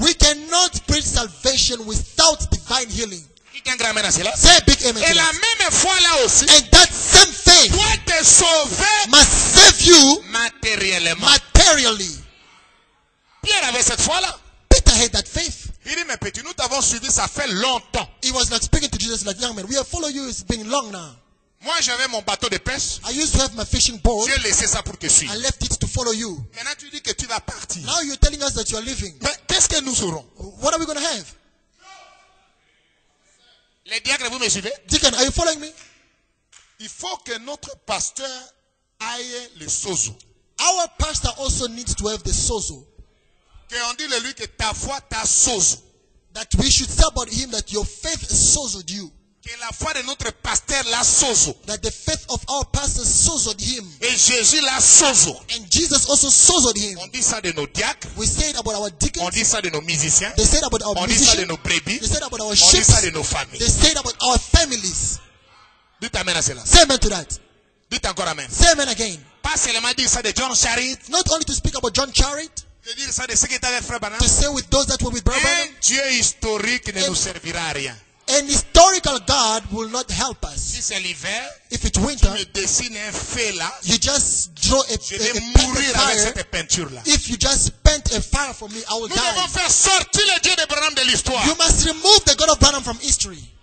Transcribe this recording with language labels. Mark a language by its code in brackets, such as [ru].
[en] We cannot preach salvation without divine healing. [fr] Qui a un grand amen à cela? [en] Say a big amen. [fr] Et la même foi là aussi. [en] And that same faith. life [fr] te sauver [en] must save you [fr] materiellement. [en] Materially. [fr] Pierre avait cette foi-là. [en] Peter had that faith. [fr] Il dit, mais petit, nous t'avons suivi, ça fait longtemps. [en] He was like speaking to Jesus like, young man, we have followed you, it's been long now. [fr] Moi, j'avais mon bateau de pêche. [en] I used to have my fishing boat. [fr] J'ai laissé ça pour te suivre. [en] I left it to follow you. [fr] Maintenant, tu dis que tu vas partir. [en] Now you're telling us that you are leaving. [fr] Mais qu'est-ce que nous aurons? [en] What are we going to have? [fr] Les diacres, vous me suivez? [en] Deacon, are you following me? [fr] Il faut que notre pasteur aille le sozo. [en] Our pastor also needs to have the sozo. [fr] Que on dit de lui que ta foi t'a sozo. [en] That we should say about him that your faith sozoed you. [fr] Que la foi de notre pasteur l'a sozo. [en] That the faith of our pastor sozoed him. [fr] Et Jésus l'a sozo. [en] And Jesus also sozoed him. [fr] On dit ça de nos diacres. [en] We say it about our deacons. [fr] On dit ça de nos musiciens. [en] They say it about our [fr] on [en] musicians. [fr] On dit ça de nos brebis. [en] They say it about our [fr] on [en] sheep. [fr] On dit ça de nos familles. [en] They say it about our families. [fr] Dites amen à cela. [en] Say amen to that. [fr] Dites encore amen. [en] Say amen again. [fr] Pas seulement dire ça de John Charit. [en] Not only to speak about John Charit. To say with those that were with brother Branham, an historical God will not help us. [fr] Si c'est l'hiver, [en] if it's winter, [fr] tu me dessines un feu là, [en] you just draw a [fr] peinture. [en] If you just paint a fire for me, I will [fr] nous [en] die. [fr] Devons faire sortir le Dieu de Branham de l'histoire. [en] You must remove the God of Branham from history.